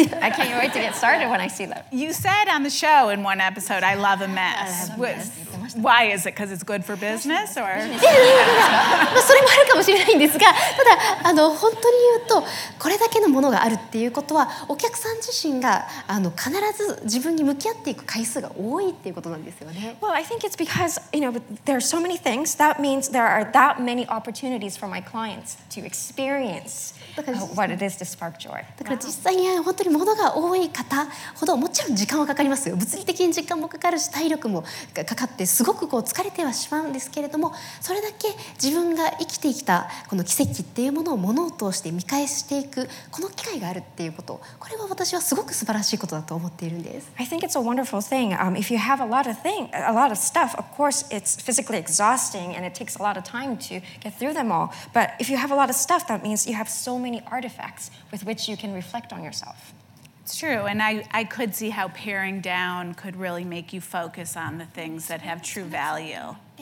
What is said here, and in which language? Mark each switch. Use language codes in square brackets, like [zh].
[en] I can't wait to get started when I see them. You said on the show in one episode, I love a mess. Why is it? Because it's good for business? Or? [ja] それもあるかもしれないんですが、ただ、本当に言うと、これだけのものがあるっていうことは、お客さん自身が必ず自分に向き合っていく回数が多いっていうことなんですよね。 [en] Well, I think it's because, you know, there are so many things, that means there are that many opportunities for my clients to experience what it is to spark joy. [ja] だから実際に本当にものが多い方ほど、もちろん時間はかかりますよ。物理的に時間もかかるし、体力もかかって、すごくこう疲れてはしまうんですけれども、それだけ自分が生きてきたこの奇跡っていうものを物を通して見返していくこの機会があるっていうこと、これは私はすごく素晴らしいことだと思っているんです。 [en] I think it's a wonderful thing. If you have a lot of stuff, of course it's physically exhausting and it takes a lot of time to get through them all. But if you have a lot of stuff, that means you have so many artifacts with which you can reflect on yourself. It's true, and I could see how paring down could really make you focus on the things that have true value.